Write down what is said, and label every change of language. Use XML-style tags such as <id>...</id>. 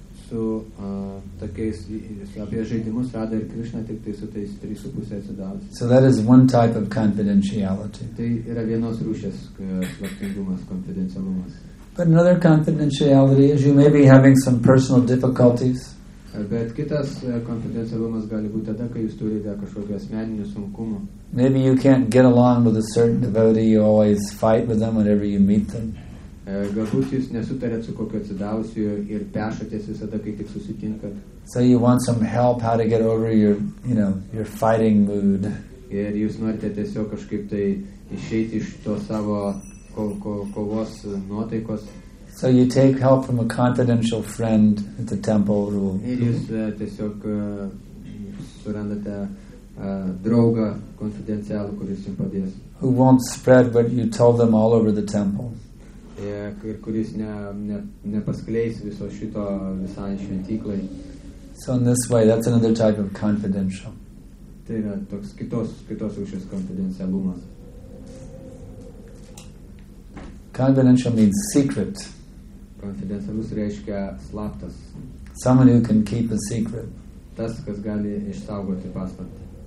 <lt>Apie žaidimus Radha ir Krishna tik tai su tais 3.5 atsidavusiais.</lt> <en>So that is one type of confidentiality.</en> <lt>Tai yra vienos rūšės slaptingumas, konfidencialumas.</lt> <en>But another confidentiality is you may be having some personal difficulties.</en> <lt>Bet kitas konfidencialumas gali būti tada, kai jūs turite kažkokį asmeninį sunkumą.</lt> <en>Maybe you can't get along with a certain devotee, you always fight with them whenever you meet them.</en> <lt>Galbūt jūs nesutarėt su kokiu atsidavusiu ir pešatės visada, kai tik susitinkat.</lt> <en>So you want some help how to get over your fighting mood.</en> <lt>Ir jūs norite tiesiog kažkaip tai išeiti iš to savo kovos nuotaikos.</lt> <en>So you take help from a confidential friend at the temple room.</en> <lt>Ir jūs tiesiog surandate draugą konfidencialų, kuris jums padės.</lt> <en>Who won't spread what you told them all over the temple.</en> <lt>Ir kuris nepaskleis viso šito visai šventyklai.</lt> <en>So in this way, that's another type of confidential.</en> <lt>Tai yra toks kitos rūšės konfidencialumas.</lt> <en>Confidential means secret.</en> <lt>Konfidencialus reiškia slaptas.</lt> <en>Someone who can keep a secret.</en> <lt>Tas, kas gali išsaugoti paslaptį.</lt>